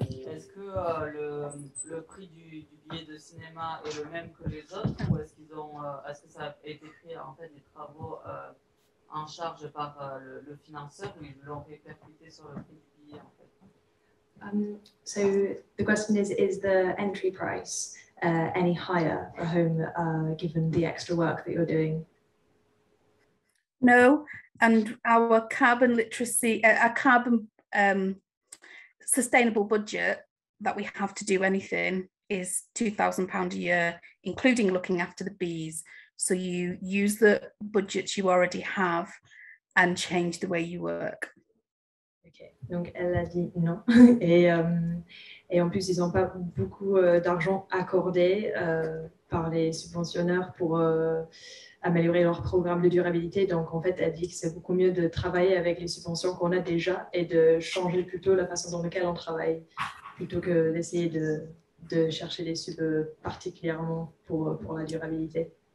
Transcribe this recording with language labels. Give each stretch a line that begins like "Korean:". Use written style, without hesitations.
French: Est-ce que le prix du billet de cinéma est le même que les autres, ou est-ce que ça a été pris en fait des travaux en charge par le financeur, ou ils l'ont répercuté sur le prix du billet en fait?
English: So the question is the entry price any higher for home given the extra work that you're doing? No, and our carbon literacy, our carbon sustainable budget that we have to do anything is £2,000 a year, including looking after the bees. So you use the budgets you already have and change the way you work.
French: Okay, donc elle a dit non. Et en plus, ils n'ont pas beaucoup d'argent accordé par les subventionneurs pour améliorer leur programme de durabilité. Donc, en fait, elle dit que c'est beaucoup mieux de travailler avec les subventions qu'on a déjà et de changer plutôt la façon dans laquelle on travaille plutôt que d'essayer de chercher des subs particulièrement pour la durabilité.